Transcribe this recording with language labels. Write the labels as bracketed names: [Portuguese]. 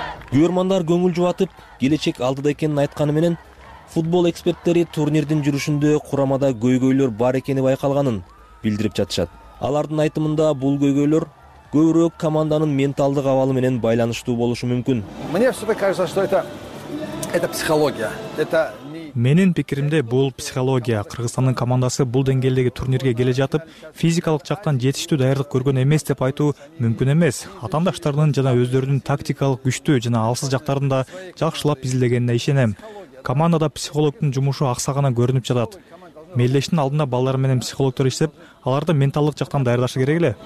[Kyrgyz] Күйөрмандар көңүл жубатып, келечек алдыда экенин айтканы менен футбол эксперттери турнирдин жүрүшүндө курамада көйгөйлөр бар экени байкалганын билдирип жатышат. Алардын айтымында бул көйгөйлөр көбүрөөк команданын менталдык абалы менен байланыштуу болушу мүмкүн. [Russian] Мне всегда кажется, что это психология. Это не [Kyrgyz] Менин пикиримде бул психология. Кыргызстандын командасы бул деңгээлдеги турнирге келе жатып, физикалык жактан жетиштүү даярдык көргөн эмес деп айтуу мүмкүн эмес. Атаандаштардын жана өздөрүнүн тактикалык күчтүү жана алсыз жактарын да жакшылап изилдегенине ишенем. Командада психологдун жумушу аксагана көрүнүп жатат. Мелдештин алдында балдар менен психологтор иштеп, аларды менталдык жактан даярдашы керек эле.